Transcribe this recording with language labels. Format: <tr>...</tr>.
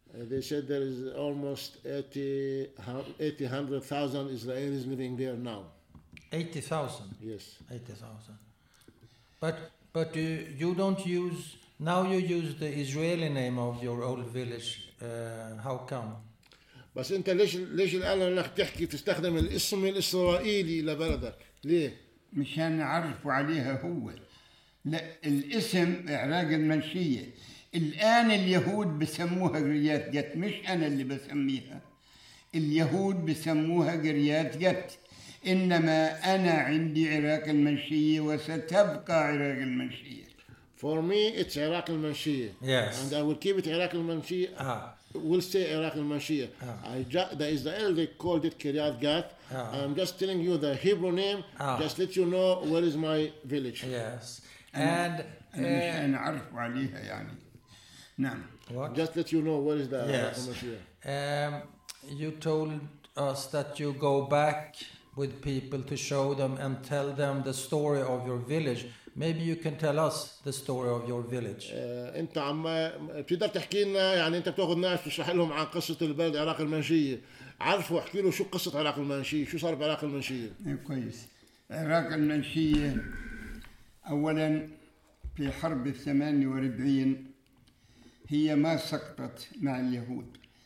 <en>They said there is almost 80,000 Israelis living there now. 80,000. Yes. 80,000. But you don't use, now you use the Israeli name of your old village. How come?</en> <ar>بس انت ليش الان لك تحكي تستخدم الاسم الاسرائيلي لبلدك؟ ليه؟ مشان نعرفه عليها هو. لا الاسم عراق المنشية. الان اليهود بسموها قريات جت مش انا اللي بسميها. اليهود بسموها قريات جت. إنما أنا عندي عراق المنشية وستبقى عراق المنشية.</ar> <en>For me it's عراق المنشية. Yes. And I will keep it عراق المنشية. We'll stay عراق المنشية. The Israel they called it Kiryat Gat. I'm just telling you the Hebrew name. Just let you know where is my village. Yes. And</en> <ar>أنا عارف عليها يعني. نعم.</ar> <en>What? Just let you know where is the عراق المنشية. You told us that you go back. With people to show them and tell them the story of your village. Maybe you can tell us the story of your village.</en> <ar>انت عم تقدر تحكي لنا يعني انت بتاخذ ناس تشرح لهم عن قصة البلد عراق المنشية. عرفوا احكي له شو قصة عراق المنشية؟ شو صار بعراق المنشية؟ كويس. عراق المنشية اولا في حرب 48 هي ما سقطت مع اليهود.</ar>